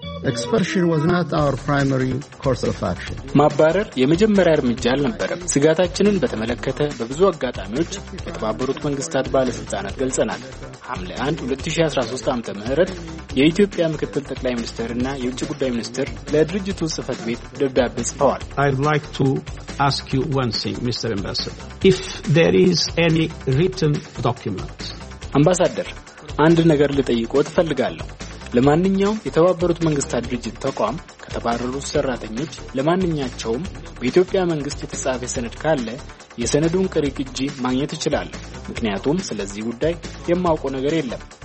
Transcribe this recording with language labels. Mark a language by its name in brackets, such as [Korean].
[English] Expulsion was not our primary course of action. [Amharic] ማባረር የመጀመሪያ እርምጃ አልነበረም። ስጋታችንን በተመለከተ በብዙ አጋጣሚዎች የተባበሩት መንግስታት ባለስልጣናት ገልጸናል። ሐምሌ 1 2013 ዓ.ም ተመረጠ የኢትዮጵያ ምክትል ጠቅላይ ሚኒስትርና የውጭ ጉዳይ ሚኒስትር ለድርጅቱ ጽህፈት ቤት ደብዳቤ ጽፈዋል። [English] I'd like to ask you one thing, Mr. Ambassador. If there is any written document. [Amharic] አምባሳደር አንድ ነገር ልጠይቅዎት ፈልጋለሁ። ለማንኛውም የተባበሩት መንግስታት ድርጅት ተቋም ከተባረሩት ሰራተኞች ለማንኛቸውም በኢትዮጵያ መንግስት የተጻፈ ሰነድ ካለ የሰነዱን ቅሪቅጂ ማግኘት ይችላል። ምክንያቱም ስለዚህ ጉዳይ የማውቀው ነገር የለም።